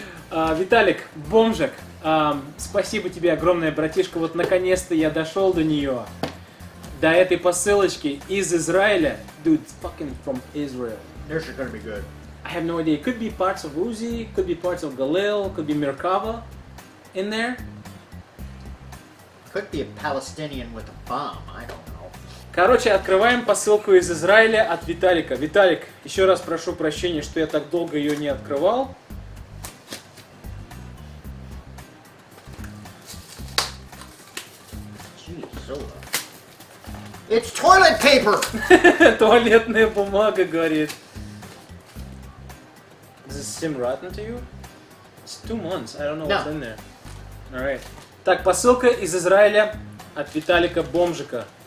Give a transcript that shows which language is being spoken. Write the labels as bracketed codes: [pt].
[ru] Виталик, бомжик, спасибо тебе огромное, братишка. Вот наконец-то я дошел до нее, до этой посылочки из Израиля. [en] Dude, fucking from Israel. This is gonna be good. I have no idea. Could be parts of Uzi, could be parts of Galil, could be Merkava. In there? Could be a Palestinian with a bomb, I don't know. [ru] Короче, открываем посылку из Израиля от Виталика. Виталик, еще раз прошу прощения, что я так долго ее не открывал. [en] Jeez, so... It's toilet paper! [ru] Туалетная бумага, говорит. [en] Does this seem rotten to you? It's 2 months, I don't know what's in there. Alright. [ru] Так, посылка из Израиля от Виталика Бомжика.